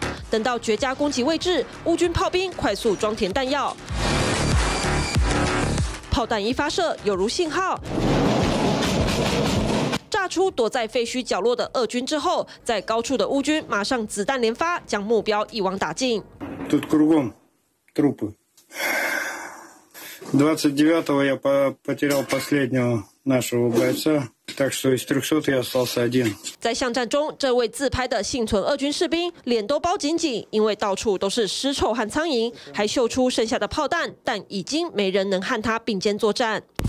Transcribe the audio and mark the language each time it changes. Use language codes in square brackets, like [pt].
[zh] 等到绝佳攻击位置，乌军炮兵快速装填弹药，炮弹一发射，有如信号，炸出躲在废墟角落的俄军之后，在高处的乌军马上子弹连发，将目标一网打尽。 [ru] 29-го я потерял последнего нашего бойца, так что из 300 я остался один. [zh] 在巷战中，这位自拍的幸存俄军士兵脸都包紧紧，因为到处都是尸臭和苍蝇，还嗅出剩下的炮弹，但已经没人能和他并肩作战。